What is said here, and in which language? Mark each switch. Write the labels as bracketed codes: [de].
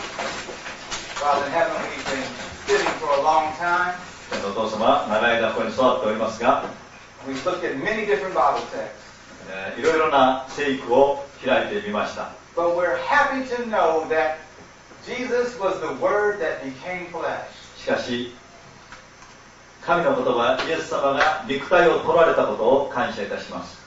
[en] Father in heaven, we've been sitting for a long time. [ja] 天のお父様、長い間ここに座っておりますが、 [en] we've looked at many different Bible texts. [ja] いろいろな聖句を開いてみました。 [en] But we're happy to know that Jesus was the Word that became flesh. [ja] しかし、神の言葉、イエス様が肉体を取られたことを感謝いたします。